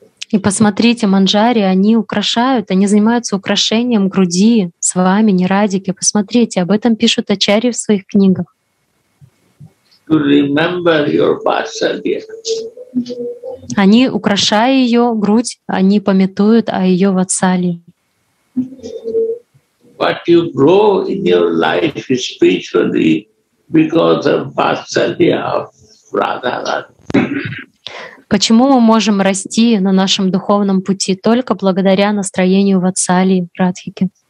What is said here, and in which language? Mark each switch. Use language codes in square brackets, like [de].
[ru] И посмотрите, Манджари, они украшают, они занимаются украшением груди с вами, не Радики. Посмотрите, об этом пишут Ачарьи в своих книгах. [en] To remember your vatsalya. [ru] Они, украшая ее грудь, они памятуют о ее ватсалье. [en] What you grow in your life spiritually because of vatsalya of Radharani. [ru] Почему мы можем расти на нашем духовном пути только благодаря настроению ватсалии Радхики?